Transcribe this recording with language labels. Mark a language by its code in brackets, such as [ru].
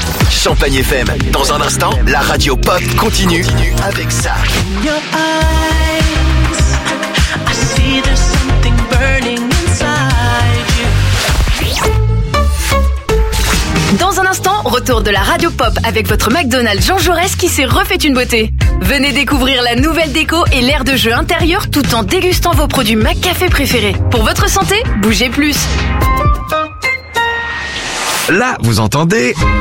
[fr] Champagne FM, dans un instant, la radio pop continue, avec ça. [en] In your eyes, I see there's something burning inside you. [fr] Dans un instant, retour de la radio pop avec votre McDonald's Jean Jaurès qui s'est refait une beauté. Venez découvrir la nouvelle déco et l'aire de jeu intérieur tout en dégustant vos produits McCafé préférés. Pour votre santé, bougez plus. Là, vous entendez.